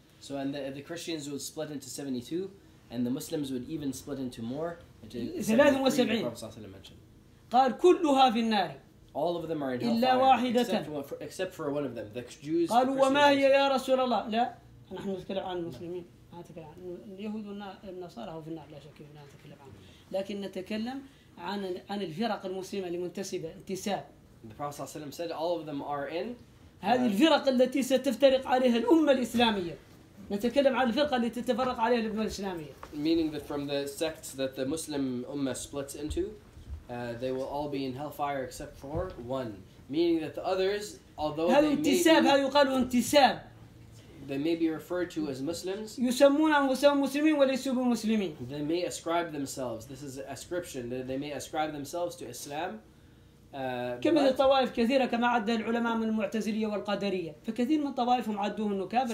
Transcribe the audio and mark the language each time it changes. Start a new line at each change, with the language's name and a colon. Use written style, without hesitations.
English: So and the Christians would split into 72, and the Muslims would even split into more. 73. The Prophet صلى الله عليه وسلم mentioned.
Arabic: قال كلها في النار.
English: All of them are in hell.
Arabic: إلا واحدة.
English: Except for one of them. The Jews.
Arabic: قالوا وما هي يا رسول الله؟ لا. نحن نتكلم عن المسلمين. نتكلم عن اليهود والنصارى هو في النار لا شك. نتكلم عن. لكن نتكلم. عن الفرق المسلمة المنتسبة انتساب.
English: The Prophet صلى الله عليه وسلم said all of them are in.
Arabic: هذه الفرق التي ستفترق عليها الأمة الإسلامية. نتكلم عن الفرق التي تتفرق عليها الأمة الإسلامية.
English: Meaning that from the sects that the Muslim Ummah splits into, they will all be in hellfire except for one. Meaning that the others, although
Arabic: هذا انتساب، هذا يقال انتساب.
English: They may be referred to as Muslims.
Arabic: يسمون أنفسهم مسلمين وليسوا بمسلمين.
English: They may ascribe themselves. This is ascription. They may ascribe themselves to Islam.
Arabic: كم من الطوائف كثيرة كما عد العلماء من المعتزلية والقدرية. فكثير من طوائفهم عدوهم كافر.